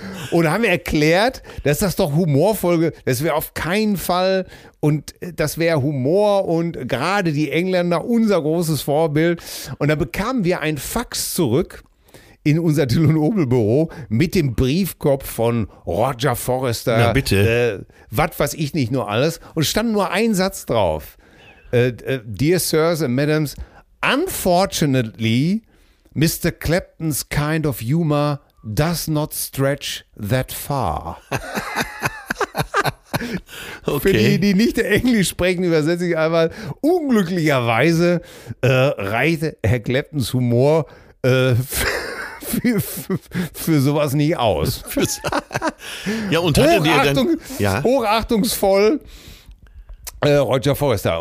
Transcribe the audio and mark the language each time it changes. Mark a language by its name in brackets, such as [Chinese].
[German] Und haben erklärt, dass das doch Humorfolge, das wäre auf keinen Fall, und das wäre Humor und gerade die Engländer unser großes Vorbild. Und da bekamen wir ein Fax zurück in unser Till und Obel Büro mit dem Briefkopf von Roger Forrester. Na bitte. Was weiß ich nicht nur alles. Und stand nur ein Satz drauf. [English] Dear Sirs and Madams, unfortunately, Mr. Clapton's kind of humor does not stretch that far. [German] Okay. Für die nicht Englisch sprechen, übersetze ich einmal. Unglücklicherweise reicht Herr Claptons Humor für sowas nicht aus. Ja, und Hochachtung, dann, ja. Hochachtungsvoll. Roger Forrester.